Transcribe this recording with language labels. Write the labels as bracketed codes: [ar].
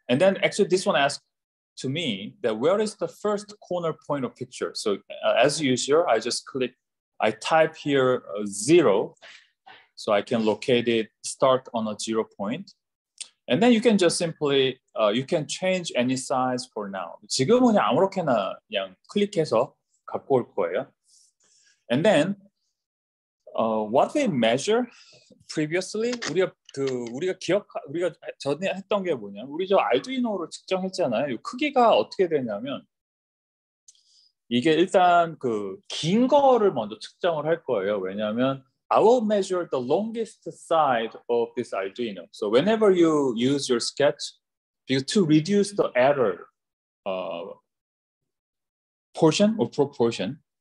[en] And then actually this one asked to me that where is the first corner point of picture? So as user, I just click, I type here zero. So I can locate it, start on a zero point. And then you can just simply, you can change any size for now. [ko] 지금은 그냥 아무렇게나 그냥 클릭해서 갖고 올 거예요. [en] And then, what we measure previously, [ko] 우리가 전에 했던 게 뭐냐? 우리 저 Arduino로 측정했잖아요. 이 크기가 어떻게 되냐면 이게 일단 그 긴 거를 먼저 측정을 할 거예요. 왜냐하면 [en] I will measure the longest side of this Arduino. So whenever you use your sketch, to reduce the error portion or proportion.